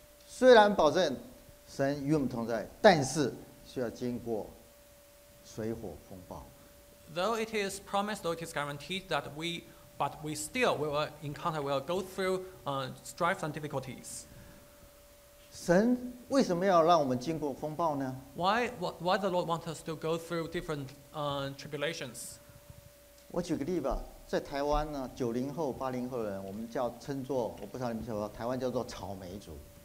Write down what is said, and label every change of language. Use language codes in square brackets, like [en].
[zh] 虽然保证神与我们同在, 但是需要经过水火风暴。 [en] Though it is promised, though it is guaranteed that we still will encounter, will go through strifes and difficulties. [zh] 神为什么要让我们经过风暴呢? [en] Why the Lord wants us to go through different tribulations? [zh] 我举个例吧。在台湾呢, 90后, 80后人, 我们叫称作, 我不知道你们叫, 台湾叫做草莓族。